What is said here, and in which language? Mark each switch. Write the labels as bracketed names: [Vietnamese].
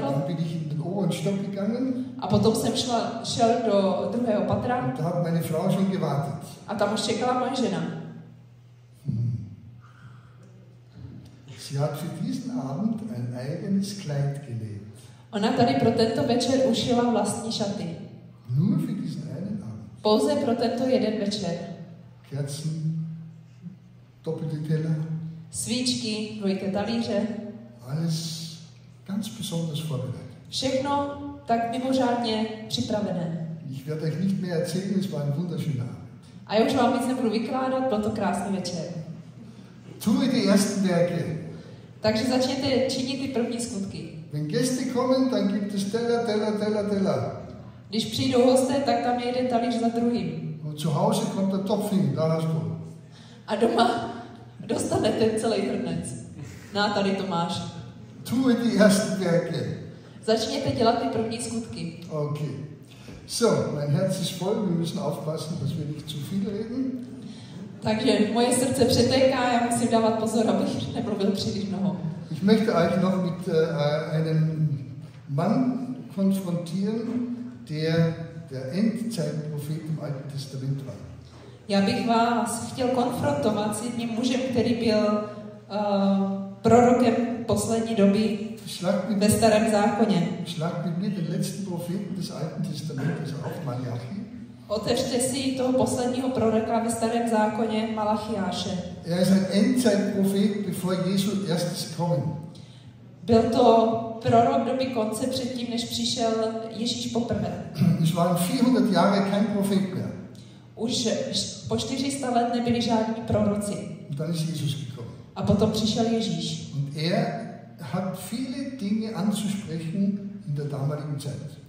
[German] Dann bin ich in den oberen Stock gegangen. [Czech] A potom jsem šel do druhého patra. [German] Und da hat meine Frau schon gewartet. [Czech] A tam už čekala moje žena. [German] Sie hat für diesen Abend ein eigenes Kleid gelegt. [Czech] Ona tady pro tento večer ušila vlastní šaty. [German] Nur für diesen einen Abend. [Czech] Pouze pro tento jeden večer. [German] Kerzen, doppelte Teller. [Czech] Svíčky, dvojité talíře. [German] Alles ganz besonders vorbereitet. [Czech] Všechno tak mimořádně připravené. [German] Ich werde euch nicht mehr erzählen, es war ein wunderschöner Abend. [Czech] A já už vám nic nebudu vykládat, byl to krásný večer. [German] Tue die ersten Werke. [Czech] Takže začněte činit ty první skutky. [German] Wenn Gäste kommen, dann gibt es Teller, Teller, Teller, Teller. [Czech] Když přijdou hosté, tak tam je jeden talíř za druhým. [German] Und zu Hause kommt der Topf hin, da hast du. [Czech] A doma dostanete celý hrnec. Na, tady Tomáš. [German] Tue die ersten Werke. [Czech] Začněte dělat ty první skutky. Okay. [German] So, mein Herz ist voll, wir müssen aufpassen, dass wir nicht zu viel reden. [Czech] Takže moje srdce přetéká, já musím dávat pozor, abych nemluvil příliš mnoho. [German] Ich möchte euch noch mit einem Mann konfrontieren, der der Endzeitprophet im Alten Testament war. [Czech] Já bych vás chtěl konfrontovat s jedním mužem, který byl prorokem poslední doby ve Starém zákoně. [German] Schlag mit mir den letzten Propheten des Alten Testamentes auf, Malachi. [Czech] Otevřte si toho posledního proroka ve Starém zákoně, Malachiáše. [German] Er ist ein Endzeitprophet bevor Jesus erstes kommen. [Czech] Byl to prorok doby konce předtím, než přišel Ježíš poprvé. [German] Es waren 400 Jahre kein Prophet mehr. [Czech] Už po 400 let nebyli žádní proroci. [German] Und dann ist Jesus gekommen. [Czech] A potom přišel Ježíš. [German] Und er hat viele Dinge anzusprechen in der damaligen Zeit.